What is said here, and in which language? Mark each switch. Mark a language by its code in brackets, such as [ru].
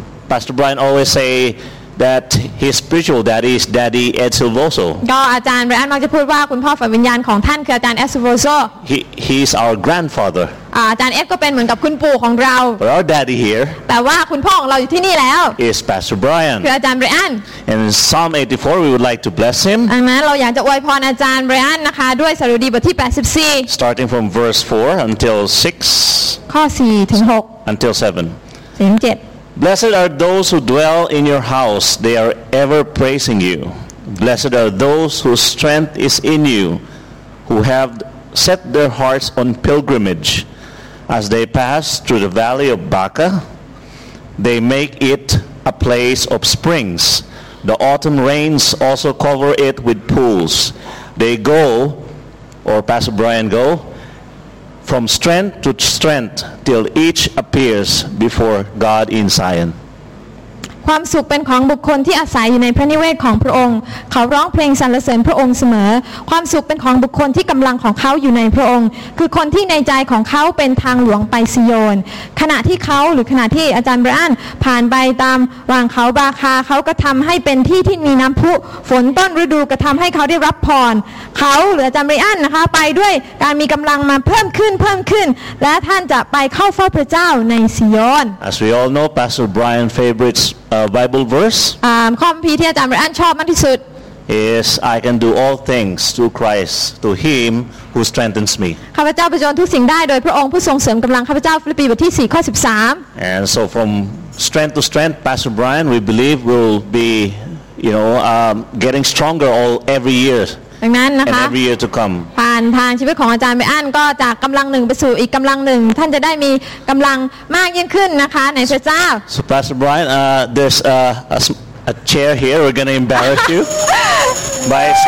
[en] Pastor Brian always say that his spiritual daddy is daddy Ed Silvoso [th] ก็อาจารย์ไรอันมักจะพูดว่าคุณพ่อฝ่ายวิญญาณของท่านคืออาจารย์เอ็ดซิลโวโซ [en] he is our grandfather [th] อาจารย์เอ็ดก็เป็นเหมือนกับคุณปู่ของเรา [en] but our daddy here [th] แต่ว่าคุณพ่อของเราอยู่ที่นี่แล้ว [en] is Pastor Brian [th] คืออาจารย์ไรอัน [en] and in Psalm 84 we would like to bless him [th] อันนั้นเราอยากจะอวยพรอาจารย์ไรอันนะคะด้วยสดุดีบทที่84 [en] starting from verse 4 until 6 [th] ข้อ4ถึง6 [en] until 7 [th] ถึง7 [en] Blessed are those who dwell in your house. They are ever praising you. Blessed are those whose strength is in you, who have set their hearts on pilgrimage. As they pass through the valley of Baca, they make it a place of springs. The autumn rains also cover it with pools. They go, or Pastor Brian go, from strength to strength till each appears before God in Zion [th] ความสุขเป็นของบุคคลที่อาศัยอยู่ในพระนิเวศของพระองค์เขาร้องเพลงสรรเสริญพระองค์เสมอความสุขเป็นของบุคคลที่กำลังของเขาอยู่ในพระองค์คือคนที่ในใจของเขาเป็นทางหลวงไปซิโยนขณะที่เขาหรือขณะที่อาจารย์บรานผ่านไปตามวางเขาบาคาเขาก็ทำให้เป็นที่ที่มีน้ำพุฝนต้นฤดูกระทำให้เขาได้รับพรเขาหรืออาจารย์บรานนะคะไปด้วยการมีกำลังมาเพิ่มขึ้นและท่านจะไปเข้าเฝ้าพระเจ้าในซิโยน [en] As we all know Pastor Brian favoritesBible verse [th] ข้อพิธีอาจารย์เรียนชอบมากที่สุด [en] is I can do all things through Christ to him who strengthens me [th] ข้าพเจ้าประจนทุกสิ่งได้โดยพระองค์ผู้ทรงเสริมกำลังข้าพเจ้าฟิลิปปีบทที่4ข้อ13 [en] and so from strength to strength Pastor Brian we believe will be you know getting stronger all every year [th] ดังนั้นนะคะ [en] and every year to come [th] ผ่านทางชีวิตของอาจารย์เรียนก็จากกำลังหนึ่งไปสู่อีกกำลังหนึ่งท่านจะได้มีกำลังมากยิ่งขึ้นนะคะในพระเจ้า [en] So Pastor Brian there's a chair here we're gonna embarrass you by